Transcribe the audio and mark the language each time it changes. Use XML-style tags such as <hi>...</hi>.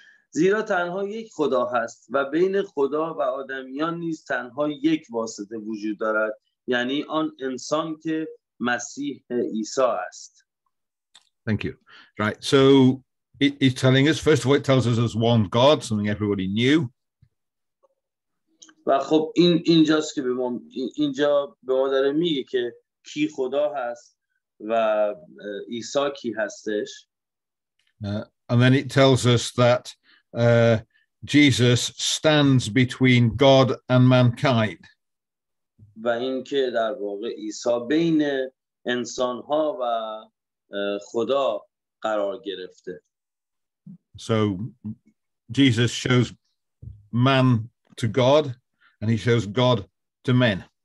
<fa>زیرا تنها یک خدا هست و بین خدا و آدمیان نیز تنها یک واسطه وجود دارد، یعنی آن انسان که مسیح عیسی است.</fa> <en>Thank you. Right. So it's telling us, first of all, it tells us there's one God, something everybody knew.</en> <fa>و خب اینجاست که به ما داره میگه که کی خدا هست و عیسی کی هستش.</fa> <en>And then it tells us that Jesus stands between God and mankind.</en> <fa>و اینکه در واقع عیسی بین انسان ها و خدا قرار گرفته.</fa> <en>So Jesus shows man to God and he shows God to men.</en>